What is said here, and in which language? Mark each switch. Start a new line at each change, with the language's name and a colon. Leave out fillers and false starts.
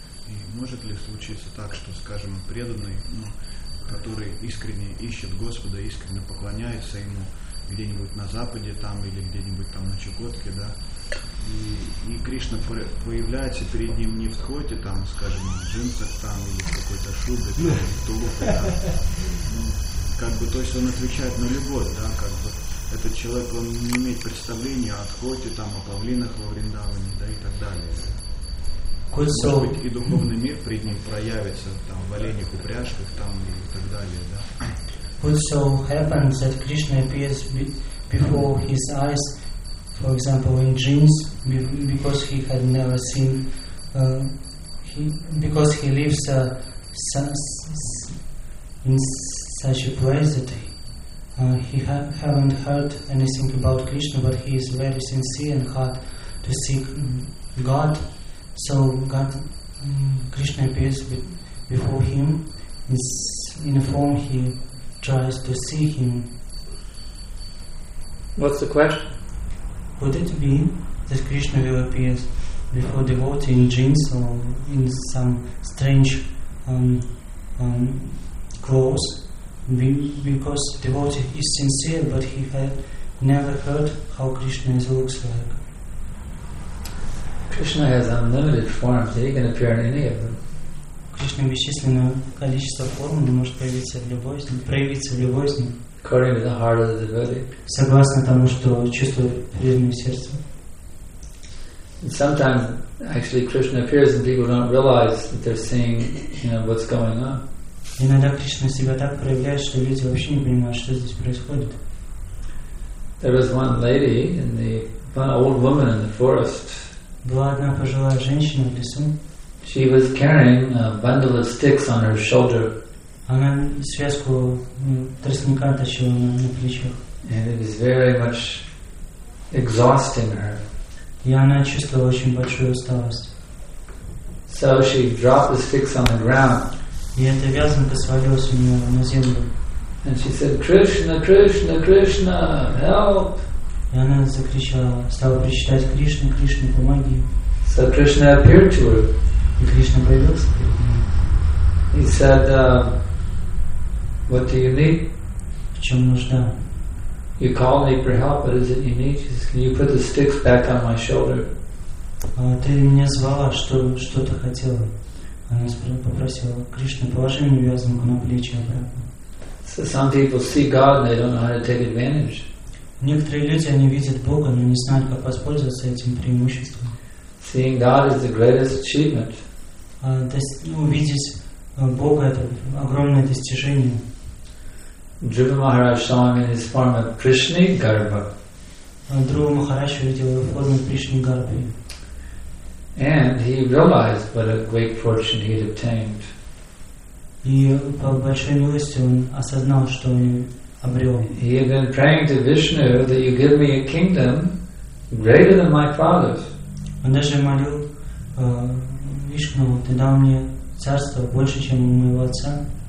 Russian: И может ли случиться так, что, скажем, преданный, ну, который искренне ищет Господа, искренне поклоняется ему где-нибудь на Западе там или где-нибудь там на Чукотке, да, и Кришна появляется перед ним не в коте там, скажем, в джинсах там или в какой-то шубе, или в тулупе, да, ну, как бы, то есть он отвечает на любовь, да, как бы. Этот человек, он не имеет представления о Дхоте, там, о павлинах во Вриндаване, да, и так далее. Может быть, и духовный мир пред ним проявится, там, в оленях, упряжках, там, и так далее, да.
English: Could so happen that Krishna appears before his eyes, for example, in dreams, because he had never seen, because he lives in such a place that haven't heard anything about Krishna, but he is very sincere and hard to seek God. So God, Krishna appears before him in a form he tries to see him. What's the question? Would it be that Krishna will appear before devotee in jeans or in some strange clothes? Because devotee is sincere, but he had never heard how Krishna looks like. Krishna has unlimited forms; he can appear in any of them.
Russian: Krishna бесчисленное количество форм, он может проявиться в любой из них.
English: According to the heart of the devotee.
Russian: Согласно тому, что чувствует преданное сердце.
English: And sometimes, actually, Krishna appears, and people don't realize that they're seeing, you know, what's going on.
Russian: Иногда Кришна себя так проявляет, что люди вообще не понимают, что здесь происходит.
English: There was one lady in the one old woman in the forest.
Russian: Была одна пожилая женщина в лесу.
English: She was carrying a bundle of sticks on her shoulder.
Russian: Она связку тростника тащила на плечах.
English: And it was very much exhausting her.
Russian: И она чувствовала очень большую усталость.
English: So she dropped the sticks on the ground.
Russian: И эта вязанка свалилась у нее на землю.
English: And she said, Krishna, Krishna, Krishna, help!
Russian: И она закричала, стала причитать, Кришна, Кришна, помоги.
English: So Krishna appeared to her.
Russian: И Кришна появился перед ней.
English: He said, What do you need?
Russian: В чем нужда?
English: You call me for help, but is it you need? Just, can you put the sticks back on my shoulder?
Russian: Ты меня звала, что-то хотела. Она попросила, Кришна, положи мне вязанку на плечи обратно.
English: So some people see God and they don't know how to take advantage.
Russian: Некоторые люди, они видят Бога, но не знают, как воспользоваться этим преимуществом.
English: Seeing God is the greatest achievement.
Russian: Увидеть Бога — это огромное достижение.
English: Dhruva Maharaj saw him in his form of Krishna Garbha.
Russian: Dhruva Maharaj видел его в форме Кришны Гарбхи.
English: And he realized what a great fortune he had obtained.
Russian: И по большой милости он осознал, что он обрел.
English: He had been praying to Vishnu that you give me a kingdom greater than my father's.
Russian: Он даже молил Вишну, ты дал мне царство больше, чем у моего отца.